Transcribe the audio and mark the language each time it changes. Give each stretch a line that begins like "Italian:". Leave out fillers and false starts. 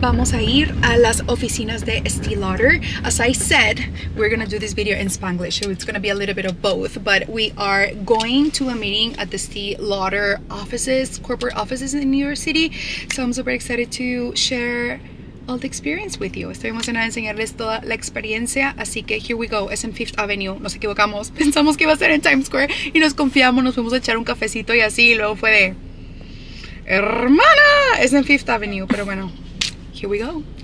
Spanish: Vamos a ir a las oficinas de Estee Lauder.
English: As I said, we're gonna do this video in Spanglish, so it's gonna be a little bit of both, but we are going to a meeting at the Estee Lauder offices, corporate offices in New York City, so I'm super excited to share all the experience with you.
Spanish: Estoy emocionada de enseñarles toda la experiencia, así que
English: here we go,
Spanish: es en Fifth Avenue, nos equivocamos, pensamos que iba a ser en Times Square y nos confiamos, nos fuimos a echar un cafecito y así, y luego fue de... Hermana, es en Fifth Avenue, pero bueno,
English: here we go.